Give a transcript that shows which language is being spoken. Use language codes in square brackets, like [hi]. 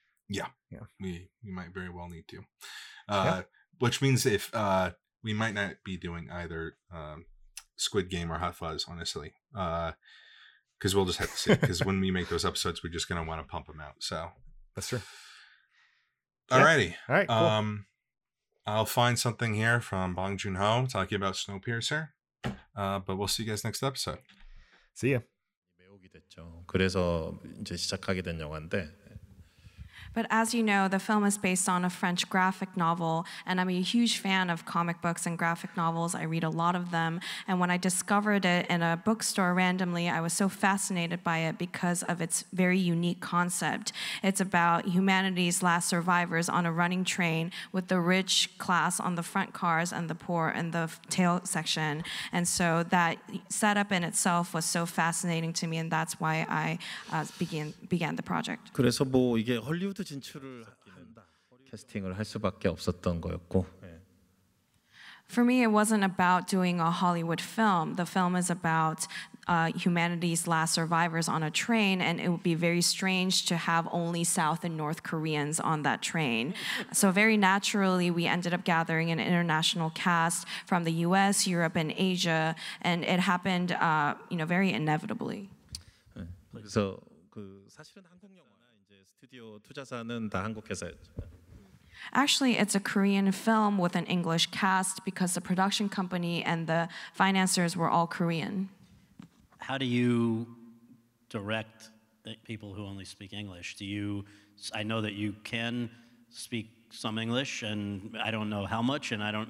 [en] We might very well need to, which means if we might not be doing either Squid Game or Hot Fuzz, honestly, because we'll just have to see. Because when we make those episodes, we're just gonna want to pump them out. So that's true. Alrighty, all right. Cool. I'll find something here from Bong Joon-ho talking about Snowpiercer, but we'll see you guys next episode. See ya. [ko] 배우게 됐죠. 그래서 이제 시작하게 된 영화인데. [en] But as you know, the film is based on a French graphic novel, and I'm a huge fan of comic books and graphic novels. I read a lot of them. And when I discovered it in a bookstore randomly, I was so fascinated by it because of its very unique concept. It's about humanity's last survivors on a running train with the rich class on the front cars and the poor in the tail section. And so that setup in itself was so fascinating to me, and that's why I began the project. [ko] 그래서 뭐 이게 헐리우드 진출을 한다. 캐스팅을 할 수밖에 없었던 거였고. [en] For me, it wasn't about doing a Hollywood film. The film is about humanity's last survivors on a train, and it would be very strange to have only South and North Koreans on that train. So very naturally, we ended up gathering an international cast from the U.S., Europe, and Asia, and it happened, you know, very inevitably. [ko] 그래서 그 사실은 한국 영화. 스튜디오 투자사는 다 한국 회사였죠. [en] Actually, it's a Korean film with an English cast because the production company and the financiers were all Korean. How do you direct people who only speak English? Do you? I know that you can speak some English, and I don't know how much, and I don't.